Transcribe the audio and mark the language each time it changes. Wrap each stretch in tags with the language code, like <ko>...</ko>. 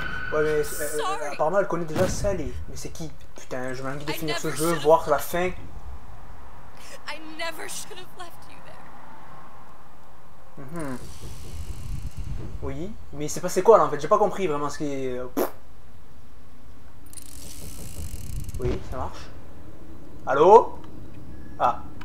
<fr>Ouais, mais apparemment elle connaît déjà Sally. Mais c'est qui? Putain, je m'ennuie de finir ce jeu, voir la fin.</fr> <en>I never should have left you there. Mm-hmm.</en> <fr>Oui, mais c'est passé quoi là en fait? J'ai pas compris vraiment ce qui est. Oui, ça marche. Allô? Ah.</fr>